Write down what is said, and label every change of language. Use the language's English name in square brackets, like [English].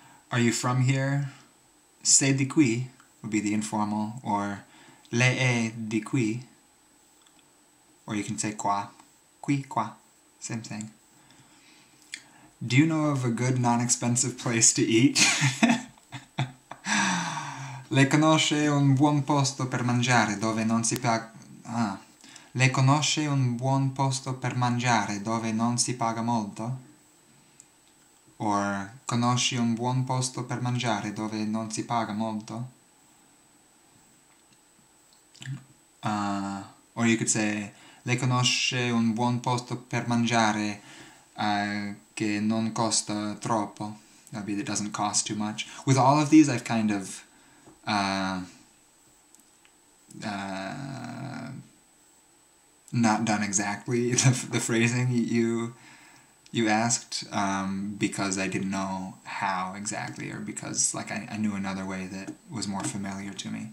[English] Are you from here? [Italian] Sei di qui [English] would be the informal, or [Italian] lei è di qui. [English] Or you can say qua. Qui, qua. Same thing. Do you know of a good, non-expensive place to eat? [Italian] Le conosce un buon posto per mangiare dove non si paga... Le conosce un buon posto per mangiare dove non si paga molto? Or, conosci un buon posto per mangiare dove non si paga molto? [English] Or you could say... [Italian] Le conosce un buon posto per mangiare che non costa troppo. [English] That'd be, it doesn't cost too much. With all of these, I've kind of not done exactly the phrasing you asked because I didn't know how exactly, or because like I knew another way that was more familiar to me.